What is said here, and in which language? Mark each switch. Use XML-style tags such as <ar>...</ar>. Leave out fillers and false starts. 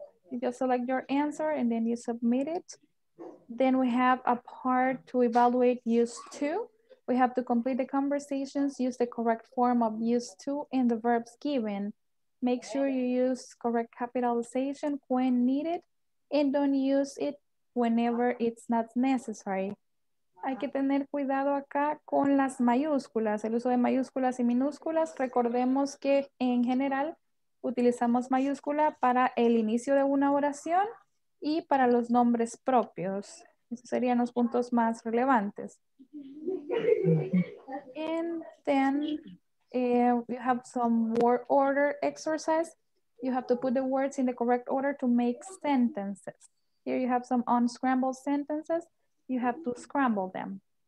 <en>You just select your answer and then you submit it. Then we have a part to evaluate use to. We have to complete the conversations, use the correct form of use to in the verbs given. Make sure you use correct capitalization when needed and don't use it whenever it's not necessary.</en> <es>Hay que tener cuidado acá con las mayúsculas, el uso de mayúsculas y minúsculas. Recordemos que en general utilizamos mayúscula para el inicio de una oración y para los nombres propios. Esos serían los puntos más relevantes.</es> <en>And then you have some word order exercise. You have to put the words in the correct order to make sentences. Here you have some unscrambled sentences. You have to scramble them.</en>